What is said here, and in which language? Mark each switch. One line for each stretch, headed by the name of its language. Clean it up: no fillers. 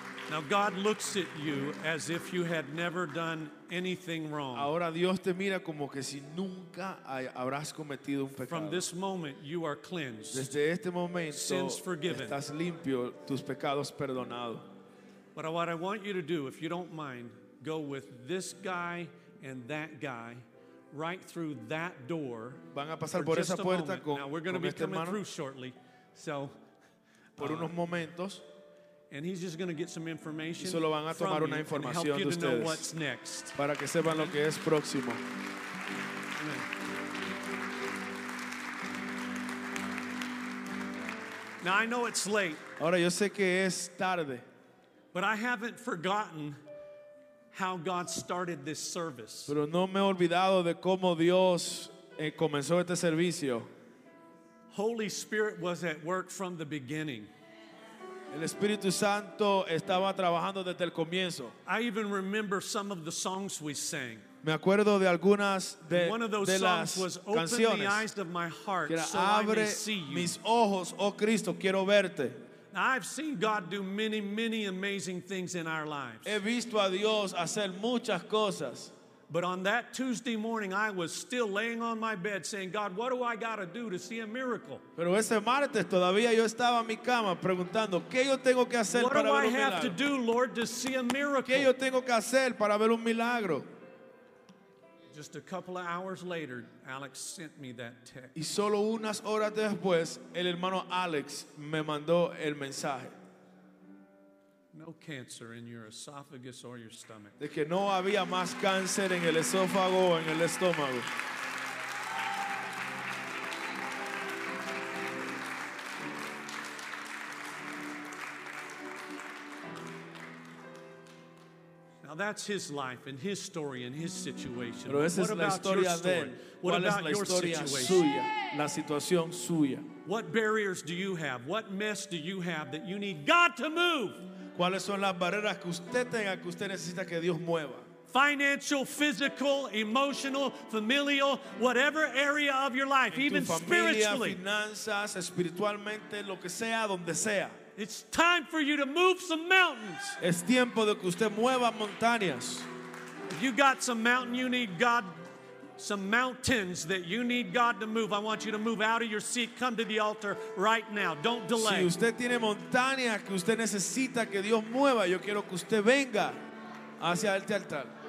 English: Now God looks at you as if you had never done anything wrong.
Spanish: Ahora Dios te mira como que si nunca habrás cometido un pecado.
English: From this moment you are cleansed.
Spanish: Desde este momento,
English: sins forgiven.
Spanish: Estás limpio, tus pecados perdonado.
English: But what I want you to do, if you don't mind, go with this guy and that guy right through that door.
Spanish: Van a pasar por esa puerta con,
English: now we're going to be coming
Spanish: hermano.
English: Through shortly. So,
Spanish: por unos momentos.
English: And he's just going to get some information.
Spanish: Solo van a tomar una información de ustedes.
English: Help you know what's next.
Spanish: Para que sepan lo que es próximo.
English: Now I know it's late.
Spanish: Ahora yo sé que es tarde.
English: But I haven't forgotten how God started this service.
Spanish: Pero no me he olvidado de cómo Dios comenzó este servicio.
English: Holy Spirit was at work from the beginning.
Spanish: El Espíritu Santo estaba trabajando desde el comienzo.
English: I even remember some of the songs we sang.
Spanish: Me acuerdo de algunas de las canciones.
English: One of those songs was Open the eyes of my heart so I may see you.
Spanish: Abre mis ojos, oh Cristo, quiero verte.
English: Now, I've seen God do many, many amazing things in our lives.
Spanish: He visto a Dios hacer muchas cosas.
English: But on that Tuesday morning, I was still laying on my bed saying, God, what do I got to do to see a miracle?
Spanish: Pero ese martes todavía yo estaba en mi cama preguntando, ¿qué yo tengo que hacer para ver un milagro?
English: What do I have to do, Lord, to see a miracle?
Spanish: ¿Qué yo tengo que hacer para ver un milagro?
English: Just a couple of hours later, Alex sent me that text.
Spanish: Y solo unas horas después, el hermano Alex me mandó el mensaje.
English: No cancer in your esophagus or your stomach.
Spanish: De que no había más cáncer en el esófago o en el estómago.
English: Now that's his life and his story and his situation.
Spanish: Pero esa es la historia de él.
English: What about
Spanish: la historia suya? La situación suya.
English: What barriers do you have? What mess do you have that you need God to move?
Spanish: ¿Cuáles son las barreras que usted tenga que usted necesita que Dios mueva?
English: Financial, physical, emotional, familial, whatever area of your life, even spiritually.
Spanish: Finanzas, espiritualmente, lo que sea, donde sea.
English: It's time for you to move some mountains.
Spanish: Es tiempo de que usted mueva montañas.
English: If you got some mountain you need God, some mountains that you need God to move, I want you to move out of your seat, come to the altar right now. Don't delay.
Spanish: Si usted tiene montañas que usted necesita que Dios mueva, yo quiero que usted venga hacia el altar.